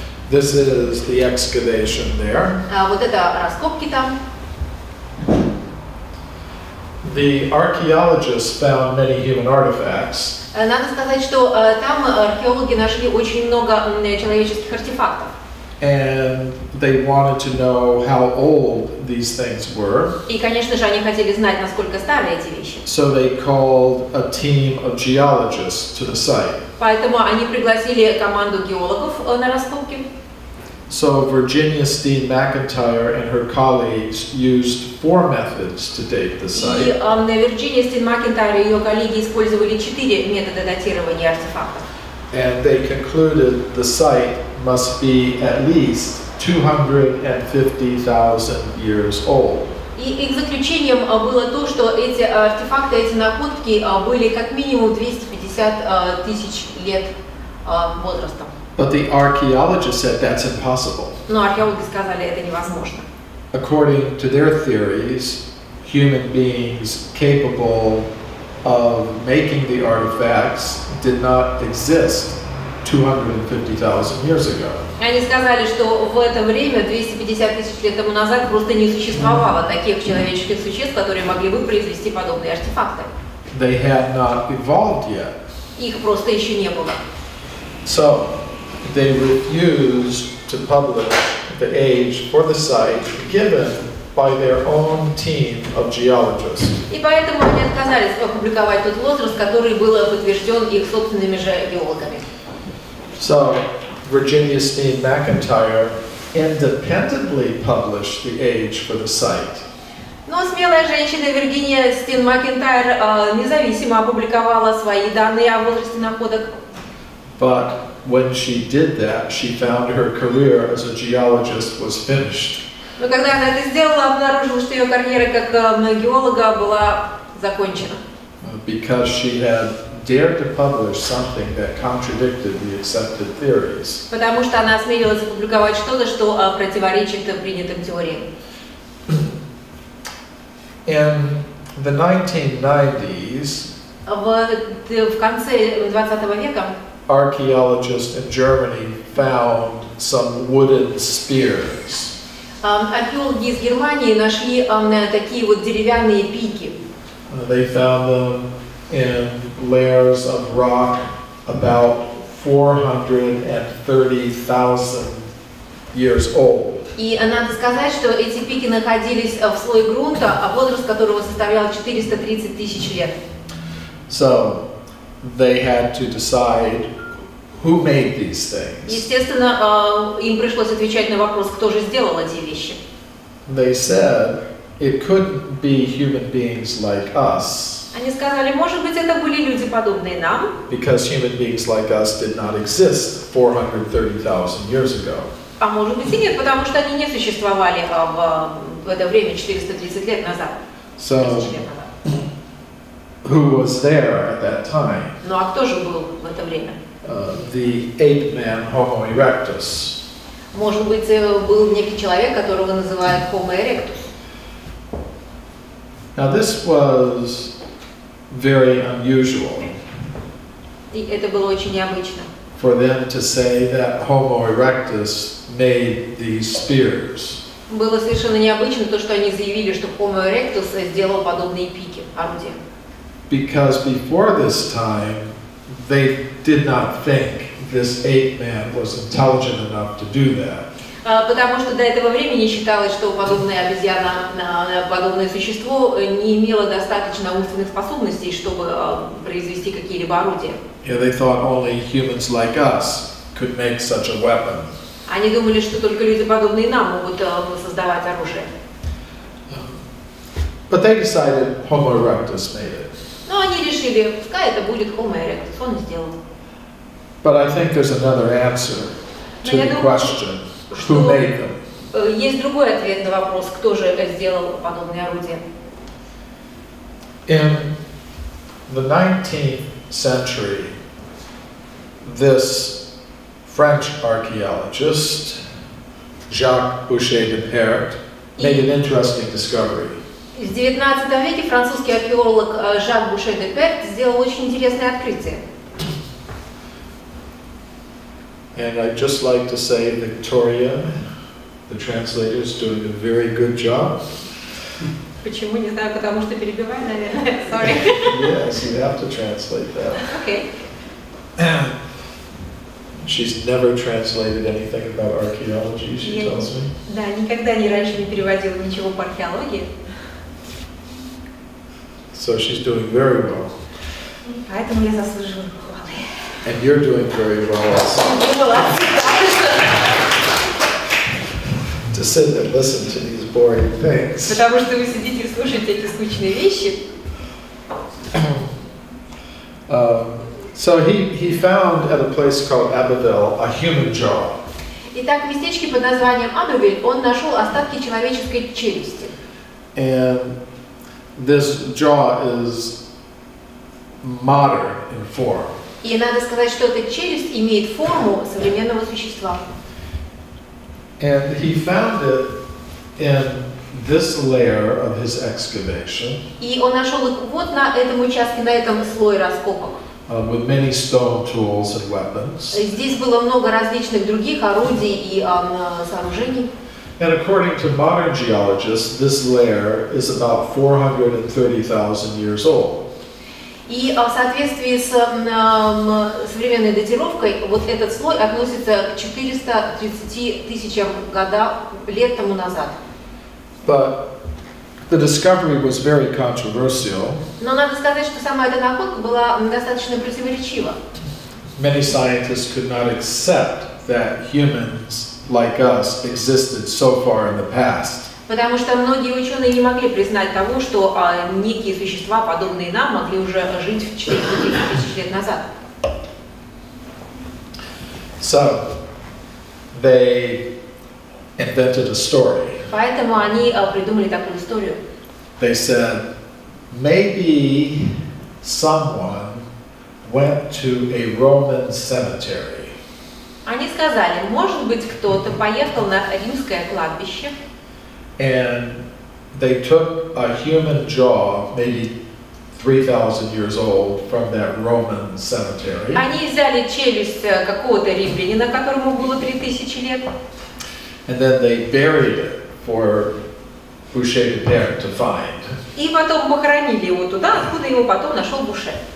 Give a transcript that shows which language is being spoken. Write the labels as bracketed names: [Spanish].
[English] This is the excavation there. [Russian] Вот это раскопки там. [English] The archaeologists found many human artifacts. [Russian] Надо сказать, что там археологи нашли очень много человеческих артефактов. [English] And they wanted to know how old these things were. [Russian] И, конечно же, они хотели знать, насколько старые эти вещи. [English] So they called a team of geologists to the site. [Russian] Поэтому они пригласили команду геологов на раскопки. [English] So Virginia Steen McIntyre and her colleagues used four methods to date the site. [Russian] И Вирджиния Стин Макинтайр и её коллеги использовали четыре метода датирования артефактов. [English] And they concluded the site must be at least 250,000 years old. [Russian] И их заключением было то, что эти артефакты, эти находки были как минимум 250,000 лет возрастом. [English] But the archaeologists said that's impossible. [Russian] Но археологи сказали, это невозможно. [English] According to their theories, human beings capable of making the artifacts did not exist 250,000 years ago. [Russian] Они сказали, что в это время, 250,000 лет тому назад, просто не существовало таких человеческих существ, которые могли бы произвести подобные артефакты. [English] They had not evolved yet. [Russian] Их просто еще не было. [English] So, they refused to publish the age for the site given by their own team of geologists. [Russian] И поэтому они отказались опубликовать тот возраст, который был подтвержден их собственными же геологами. [English] So, Virginia Steen McIntyre independently published the age for the site. [Russian] Но смелая женщина Вирджиния Стин Макинтайр независимо опубликовала свои данные о возрасте находок. [English] But when she did that, she found her career as a geologist was finished. [Russian] Но когда она это сделала, обнаружила, что ее карьера как геолога была закончена. [English] Because she had dared to publish something that contradicted the accepted theories. [Russian] Потому что она осмелилась опубликовать что-то, что противоречит принятым теориям. [English] In the 1990s, [Russian] в конце 20 века, [English] archaeologists in Germany found some wooden spears. [Russian] Археологи из Германии нашли такие вот деревянные пики. [English] They found them in layers of rock about 430,000 years old. [Russian] И надо сказать, что эти пики находились в слое грунта, а возраст которого составлял 430,000 лет. [English] So they had to decide who made these things. [Russian] Естественно, им пришлось отвечать на вопрос, кто же сделал эти вещи. [English] They said it couldn't be human beings like us. [Russian] Они сказали, может быть, это были люди подобные нам? [English] Because human beings like us did not exist 430,000 years ago. [Russian] А может быть и нет, потому что они не существовали в это время 430 лет назад. [English] So, who was there at that time? [Russian] Ну а кто же был в это время? [English] The ape-man Homo erectus. [Russian] Может быть, был некий человек, которого называют Homo erectus. [English] Now this was very unusual. [Russian] И это было очень необычно. [English] For them to say that Homo erectus made these spears. [Russian] Было совершенно необычно то, что они заявили, что Homo erectus сделал подобные пики, орудия. [English] Because before this time, they did not think this ape man was intelligent enough to do that. [Russian] Потому что до этого времени считалось, что подобное обезьяна, подобное существо не имело достаточно умственных способностей, чтобы произвести какие-либо орудия. [English] Yeah, they thought only humans like us could make such a weapon. [Russian] Они думали, что только люди подобные нам могут создавать оружие. [English] But they decided Homo erectus made it. [Russian] Но они решили, пускай это будет Homo erectus, он сделал. [English] But I think there's another answer to the question, who made them? [Russian] Есть другой ответ на вопрос, кто же сделал подобные орудия? [English] In the 19th century, this French archaeologist Jacques Boucher de Perret made an interesting discovery. [Russian] В 19 веке французский археолог Жак Буше де Перт сделал очень интересное открытие. [English] And I'd just like to say Victoria, the translator, is doing a very good job. [Russian] Почему? Не знаю, потому что перебиваю, наверное. [English] Sorry. Yes, you have to translate that. Okay. She's never translated anything about archaeology, she tells me. [Russian] Да, никогда не раньше не переводила ничего по археологии. [English] So she's doing very well. [Russian] Поэтому я заслуживаю похвалы. [English] And you're doing very well also. To sit and listen to these boring things. [Russian] Потому что вы сидите и слушаете эти скучные вещи. [English] So he found at a place called Abbeville a human jaw. [Russian] Итак, в местечке под названием Абевиль он нашел остатки человеческой челюсти. [English] And this jaw is modern in form. [Russian] И надо сказать, что эта челюсть имеет форму современного существа. [English] And he found it in this layer of his excavation. [Russian] И он нашел их вот на этом участке, на этом слое раскопок. [English] With many stone tools and weapons. [Russian] Здесь было много различных других орудий и сооружений. [English] And according to modern geologists, this layer is about 430,000 years old. [Russian] И в соответствии с современной датировкой, вот этот слой относится к 430 тысячам лет тому назад. [English] But the discovery was very controversial. [Russian] Но надо сказать, что сама эта находка была достаточно противоречива. [English] Many scientists could not accept that humans like us existed so far in the past. [Russian] Потому что многие ученые не могли признать того, что некие существа, подобные нам, могли уже жить 4 тысячи лет назад. [English] So they invented a story. [Russian] Поэтому они придумали такую историю. [English] They said, maybe someone went to a Roman cemetery. [Russian] Они сказали, может быть, кто-то поехал на римское кладбище. [English] And they took a human jaw, maybe 3,000 years old, from that Roman cemetery. [Russian] Они взяли челюсть какого-то римлянина, которому было 3,000 лет. [English] And then they buried it for Буше de Pere to find. [Russian] И потом похоронили его туда, откуда его потом нашел Буше.